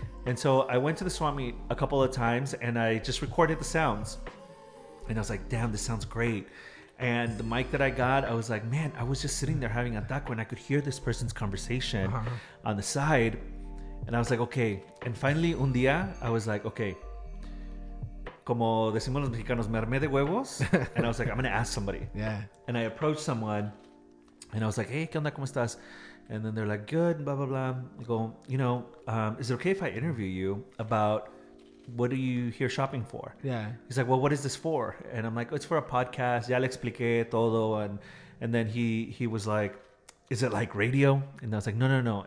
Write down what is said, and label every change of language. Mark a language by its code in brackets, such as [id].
[en] And so I went to the swap meet a couple of times and I just recorded the sounds. And I was like, damn, this sounds great. And the mic that I got, I was like, man, I was just sitting there having a taco and I could hear this person's conversation on the side. And I was like, okay. And finally, [es] un día, [en] I was like, okay. [es] Como decimos los mexicanos, me armé de huevos. [en] And I was like, I'm going to ask somebody. Yeah. And I approached someone and I was like, hey, [es] ¿qué onda? ¿Cómo estás? [en] And then they're like, good, blah, blah, blah. I go, you know, is it okay if I interview you about what are you here shopping for? Yeah. He's like, well, what is this for? And I'm like, oh, it's for a podcast. [es] Ya le expliqué todo. [en] And then he was like, is it like radio? And I was like, no, no, no.